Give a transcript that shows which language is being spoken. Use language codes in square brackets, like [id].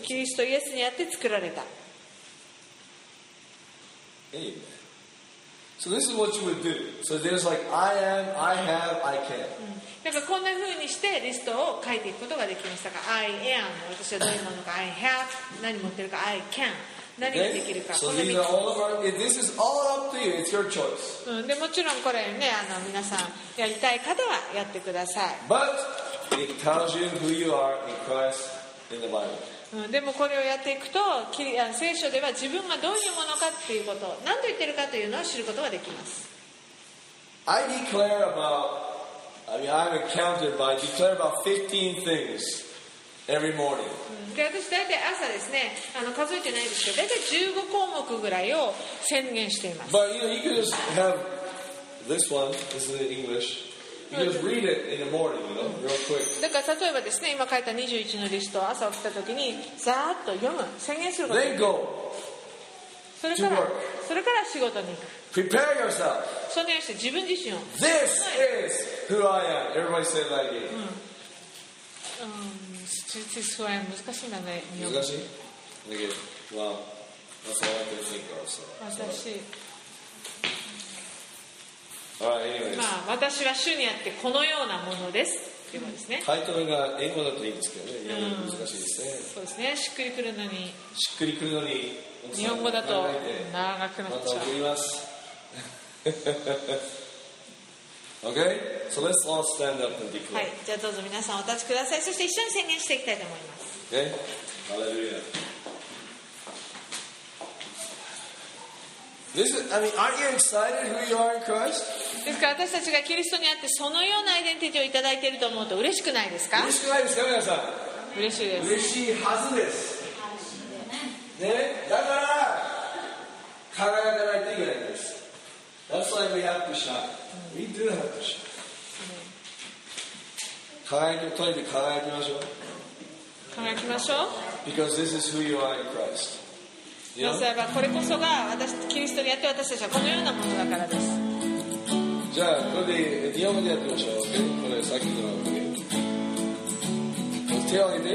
[ja] キリストイエスにあって作られた。 [en] Amen. So this is what you would do. So there's like I am, I have, I can. [ja] なんかこんな風にしてリストを書いていくことができましたか。 [en] I am, [ja] 私はどういうものか。 [en] I have, [ja] 何持ってるか。 [en] I can, [ja] 何ができるか。 [en] So these are all of our, this is all up to you. It's your choice. [ja] でもちろんこれね、皆さんやりたい方はやってください。 [en] But it tells you who you are in Christ in the Bible. [ja] でもこれをやっていくと、聖書では自分がどういうものかっていうこと、何と言ってるかというのを知ることができます。 [en] I declare about, I mean, I'm accounted by, I declare about 15 things every morning. [ja] で、私大体朝ですね、数えてないですけど、大体15項目ぐらいを宣言しています。 [en] But you know, you could just have this one, this is in English. Just read it in the morning, you know, real quick. [ja] だから例えばですね、今書いた21のリスト、朝起きた時にざーっと読む、宣言することができる。 [en] Then go. [ja] それから、それから仕事に行く。 [en] Prepare yourself. [ja] そのようにして自分自身を。 [en] This is who I am. Everybody say it like it. This is who I am. [ja] 難しいんだね。難しい。 [en] Thank you. Wow. That's all I can think of. So. [ja] 私。まあ、私は主にあってこのようなものですっていうことですね。タイトルが英語だといいんですけどね、いや難しいですね。そうですね、しっくりくるのに、しっくりくるのに日本語だと長くなっちゃう。また送ります。 [en] OK? So let's all stand up and declare. [ja] はい、じゃあどうぞ皆さんお立ちください。そして一緒に宣言していきたいと思います。 OK? ハレルヤ。 [en] This is, I mean, aren't you excited who you are in Christ? [ja] ですから私たちがキリストにあってそのようなアイデンティティをいただいていると思うと嬉しくないですか？嬉しくないですか皆さん？嬉しいです。嬉しいはずです。ね、だから輝かないといけないんです。 [en] That's why we have to shine. We do have to shine. [ja] 輝いて、とにかく輝きましょう。輝きましょう。 [en] Because this is who you are in Christ. [ja] なぜならばこれこそが私キリストにあって私たちはこのようなものだからです。じゃあこれで日本語でやってみましょう。これさっきの手を上げて。